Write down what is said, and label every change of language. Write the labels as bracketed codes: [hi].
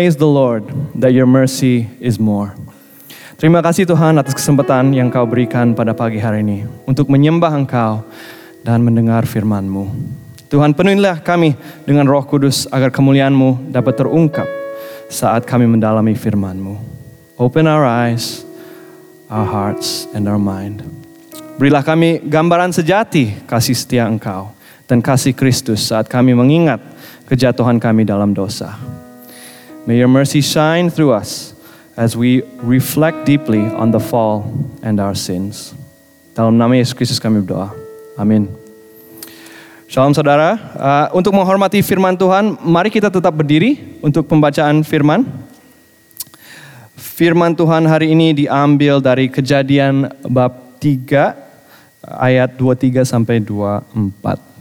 [en] Praise the Lord that your mercy is more. [id] Terima kasih Tuhan atas kesempatan yang Kau berikan pada pagi hari ini untuk menyembah Engkau dan mendengar firman-Mu. Tuhan, penuhilah kami dengan Roh Kudus agar kemuliaan-Mu dapat terungkap saat kami mendalami firman-Mu. [en] Open our eyes, our hearts, and our mind. [id] Berilah kami gambaran sejati kasih setia Engkau dan kasih Kristus saat kami mengingat kejatuhan kami dalam dosa. [en] May your mercy shine through us as we reflect deeply on the fall and our sins. [id] Dalam nama Yesus Kristus kami berdoa. Amin. Shalom saudara. Untuk menghormati firman Tuhan, mari kita tetap berdiri untuk pembacaan firman. Firman Tuhan hari ini diambil dari Kejadian bab 3 ayat 23 sampai 24.